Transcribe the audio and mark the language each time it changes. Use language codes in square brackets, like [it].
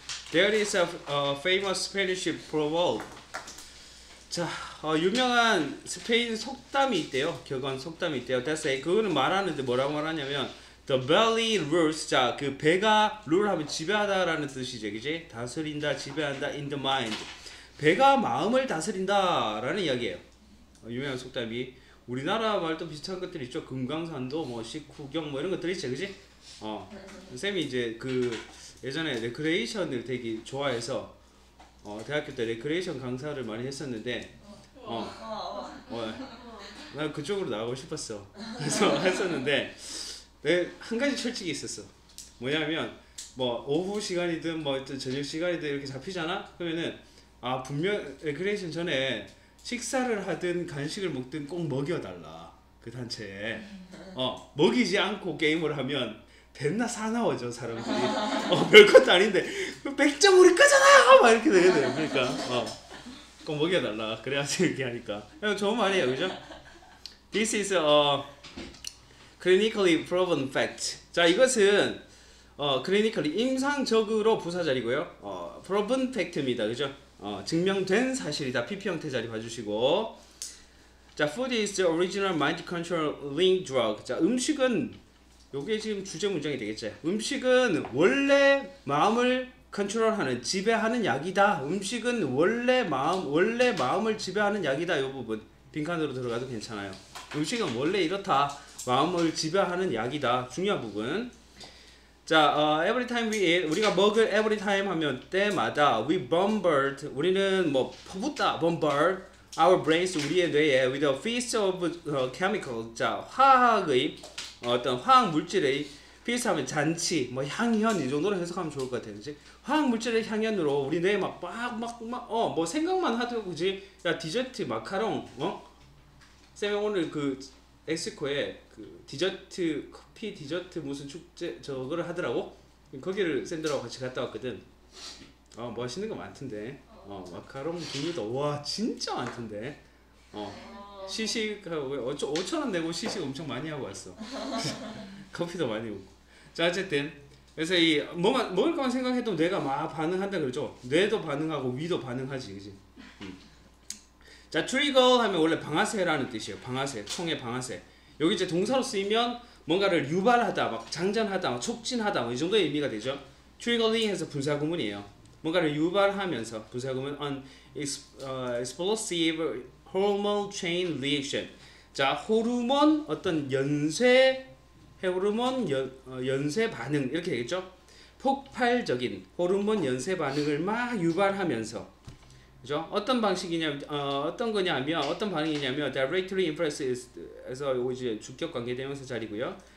[en] There is a famous Spanish proverb. [ko] 자, 유명한 스페인 속담이 있대요. 격언 속담이 있대요. [en] That's it. [ko] 그거는 말하는데 뭐라고 말하냐면 [en] The belly rules. [ko] 자, 그 배가 rule 하면 지배하다라는 뜻이죠, 그지? 다스린다, 지배한다, [en] in the mind. [ko] 배가 마음을 다스린다라는 이야기예요. 유명한 속담이. 우리나라 말도 비슷한 것들이 있죠. 금강산도, 뭐 식후경 뭐 이런 것들이 있죠, 그지? 쌤이 이제 그 예전에 레크레이션을 되게 좋아해서 대학교 때 레크레이션 강사를 많이 했었는데 나 그쪽으로 나가고 싶었어. 그래서 했었는데 내 한 가지 철칙이 있었어. 뭐냐면 뭐 오후 시간이든 뭐 어떤 저녁 시간이든 이렇게 잡히잖아. 그러면은 아 분명 레크레이션 전에 식사를 하든 간식을 먹든 꼭 먹여달라 그 단체에. 먹이지 않고 게임을 하면 됐나 사나워져 사람들이. 별것도 아닌데 100점 우리 거잖아 막 이렇게 되게 돼요. 그러니까 꼭 먹여달라 그래야지 이렇게 하니까. 좋은 말이에요, 그죠? [en] This is a clinically proven fact. [ko] 자, 이것은 clinically 임상적으로 부사자리고요. proven fact입니다, 그죠? 증명된 사실이다. PP 형태 자리 봐주시고. [en] 자, food is the original mind controlling drug. [ko] 자, 음식은 요게 지금 주제 문장이 되겠죠. 음식은 원래 마음을 컨트롤하는, 지배하는 약이다. 음식은 원래 마음을 지배하는 약이다. 요 부분 빈칸으로 들어가도 괜찮아요. 음식은 원래 이렇다. 마음을 지배하는 약이다. 중요한 부분. [en] 자, every time we eat, [ko] 우리가 먹을 [en] every time [ko] 하면 때마다 [en] we bombard, [ko] 우리는 뭐 퍼붓다, [en] bombard our brains, [ko] 우리의 뇌에 [en] with a feast of chemicals. [ko] 자, 화학의 어떤 화학 물질의 피스 하면 잔치, 뭐 향연 이 정도로 해석하면 좋을 것 같아요, 그치? 화학 물질의 향연으로 우리 뇌에 막 생각만 하더라고, 그치? 야, 디저트 마카롱, 쌤이 오늘 그 엑스코에 그 디저트 커피 디저트 무슨 축제 저거를 하더라고. 거기를 쌤들하고 같이 갔다 왔거든. 맛있는 거 많던데. 마카롱 종류도 와 진짜 많던데. 시식하고 5,000원 내고 시식 엄청 많이 하고 왔어. 커피도 많이 먹고. 자, 어쨌든 그래서 이 뭐만 먹을 것만 생각해도 뇌가 막 반응한다 그러죠. 뇌도 반응하고 위도 반응하지, 그지? 자, 트리거 하면 원래 방아쇠라는 뜻이에요. 방아쇠, 총의 방아쇠. 여기 이제 동사로 쓰이면 뭔가를 유발하다, 막 장전하다, 막 촉진하다, 뭐 이 정도의 의미가 되죠. 트리거링해서 분사구문이에요. 뭔가를 유발하면서 분사구문 [en] on explosive hormone chain reaction. [ko] 자, 호르몬 어떤 연쇄 호르몬 연쇄 반응 이렇게 되겠죠. 폭발적인 호르몬 연쇄 반응을 막 유발하면서, 그죠? 어떤 방식이냐, 어떤 거냐면 어떤 반응이냐면 [en] directly influences [ko] 에서 이제 주격 관계대명사 자리고요.